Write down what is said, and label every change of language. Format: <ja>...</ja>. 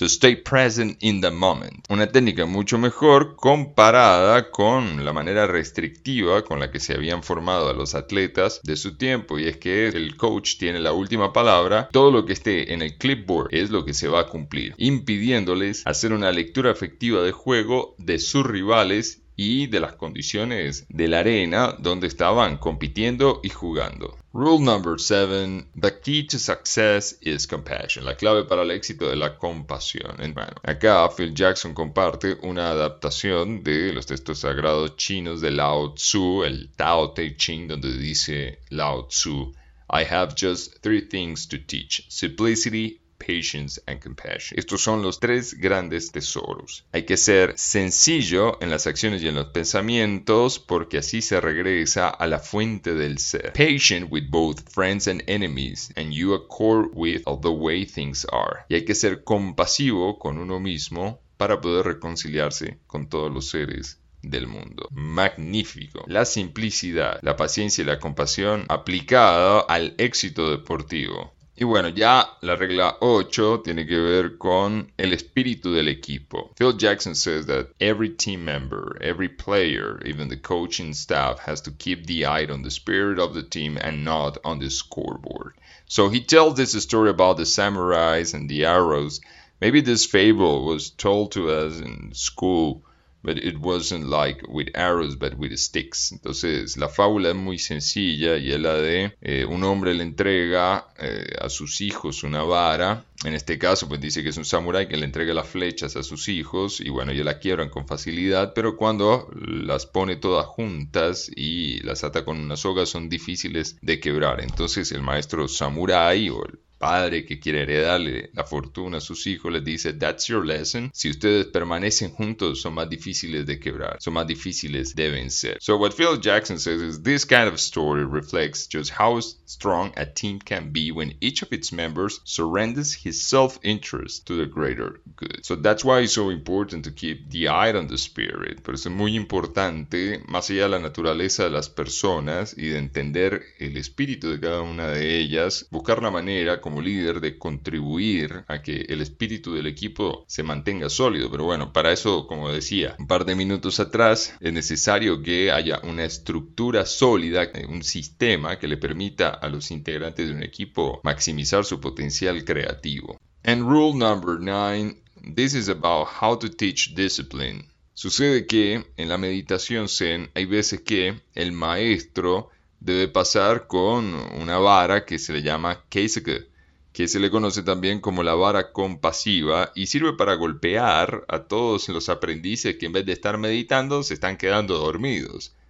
<en>To stay present in the moment.</en> <es>Una técnica mucho mejor comparada con la manera restrictiva con la que se habían formado a los atletas de su tiempo, y es que el coach tiene la última palabra. Todo lo que esté en el clipboard es lo que se va a cumplir, impidiéndoles hacer una lectura efectiva de juego de sus rivales y de las condiciones de la arena donde estaban compitiendo y jugando.</es> <en>Rule number 7, the key to success is compassion.</en> <es>La clave para el éxito es la compasión. Bueno, acá Phil Jackson comparte una adaptación de los textos sagrados chinos de Lao Tzu, el Tao Te Ching, donde dice Lao Tzu,</es> <en>I have just three things to teach, simplicity, patience and compassion.</en> <es>Estos son los tres grandes tesoros. Hay que ser sencillo en las acciones y en los pensamientos, porque así se regresa a la fuente del ser.</es> <en>Patient with both friends and enemies, and you accord with all the way things are.</en> <es>Y hay que ser compasivo con uno mismo para poder reconciliarse con todos los seres del mundo. Magnífico. La simplicidad, la paciencia y la compasión aplicada al éxito deportivo. Y bueno, ya la regla 8 tiene que ver con el espíritu del equipo.</es> <en>Phil Jackson says that every team member, every player, even the coaching staff has to keep the eye on the spirit of the team and not on the scoreboard. So he tells this story about the samurais and the arrows. Maybe this fable was told to us in school, but it wasn't like with arrows, but with sticks.</en> <es>Entonces, la fábula es muy sencilla y es la de un hombre le entrega a sus hijos una vara. En este caso, pues dice que es un samurái que le entrega las flechas a sus hijos y bueno, ya la quiebran con facilidad, pero cuando las pone todas juntas y las ata con una soga, son difíciles de quebrar. Entonces, el maestro samurái o el padre que quiere heredarle la fortuna a sus hijos les dice,</es> <en>that's your lesson.</en> <es>Si ustedes permanecen juntos, son más difíciles de quebrar, son más difíciles de vencer.</es> <en>So what Phil Jackson says is, this kind of story reflects just how strong a team can be when each of its members surrenders his self-interest to the greater good. So that's why it's so important to keep the eye on the spirit.</en> <es>Por eso es muy importante, más allá de la naturaleza de las personas y de entender el espíritu de cada una de ellas, buscar la manera como líder de contribuir a que el espíritu del equipo se mantenga sólido. Pero bueno, para eso, como decía un par de minutos atrás, es necesario que haya una estructura sólida, un sistema que le permita a los integrantes de un equipo maximizar su potencial creativo.</es> <en>And rule number 9, this is about how to teach discipline.</en> <es>Sucede que en la meditación Zen hay veces que el maestro debe pasar con una vara que se le llama keiseke, que se le conoce también como la vara compasiva y sirve para golpear a todos los aprendices que en vez de estar meditando se están quedando dormidos.</es>